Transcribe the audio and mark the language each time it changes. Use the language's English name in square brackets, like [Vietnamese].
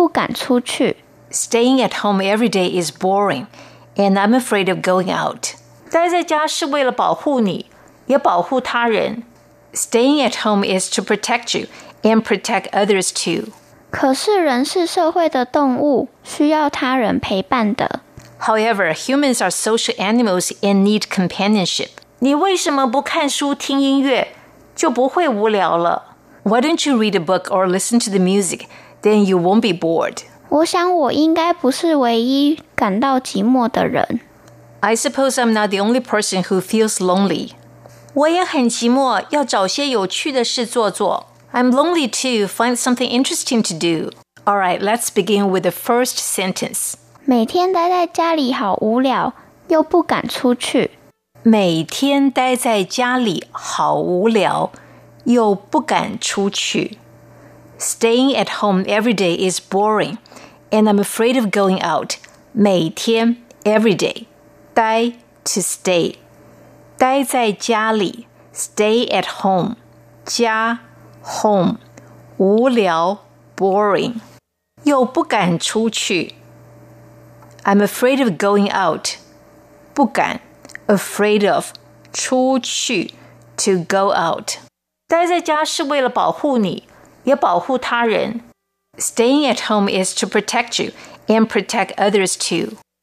[English] Staying at home every day is boring, and I'm afraid of going out. [Chinese] 待在家是为了保护你，也保护他人。 [English] Staying at home is to protect you and protect others too. [Chinese] 可是人是社会的动物，需要他人陪伴的。 [English] However, humans are social animals and need companionship. [Chinese] 你为什么不看书听音乐，就不会无聊了。 [English] Why don't you read a book or listen to the music? Then you won't be bored. [Chinese] 我想我应该不是唯一感到寂寞的人。 [English] I suppose I'm not the only person who feels lonely. [Chinese] 我也很寂寞，要找些有趣的事做做。 [English] I'm lonely too, find something interesting to do. Alright, let's begin with the first sentence. [Chinese] 每天待在家里好无聊，又不敢出去。每天待在家里好无聊，又不敢出去。 [English] Staying at home every day is boring, and I'm afraid of going out. [Chinese] 每天 [English] every day. [Chinese] 待 [English] to stay. [Chinese] 待在家里 [English] stay at home. [Chinese] 家 [English] home. [Chinese] 无聊 [English] boring. [Chinese] 又不敢出去 [English] I'm afraid of going out. [Chinese] 不敢 [English] afraid of [Chinese] 出去 [English] to go out. [Chinese] 待在家是为了保护你也保护他人。 [English] Staying at home is to protect you and protect others too.